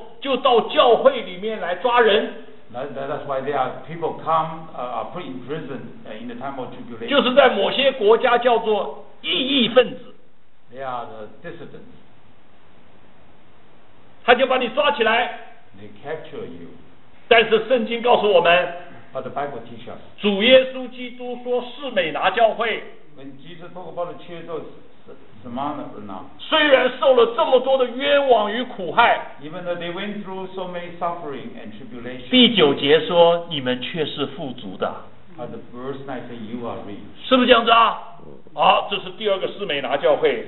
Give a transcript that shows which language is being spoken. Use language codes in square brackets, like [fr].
[zh] 以至于当时候迫害的时候，就到教会里面来抓人。 [en] That's why there are people come are put in prison in the time of tribulation. [zh] 就是在某些国家叫做异义分子。 [en] They are the dissidents. [zh] 他就把你抓起来。 [en] They capture you. [zh] 但是圣经告诉我们。 [en] But the Bible teaches us. [zh] 主耶稣基督说士美拿教会。 [en] When Jesus talked about the church, Samana or not. [zh] 虽然受了这么多的冤枉与苦害, [en] Even though they went through so many suffering and tribulation, [zh] 第九节说, 你们却是富足的。 [en] But the verse 9 says, you are rich. [zh] 是不是这样子啊? 好,这是第二个士美拿教会。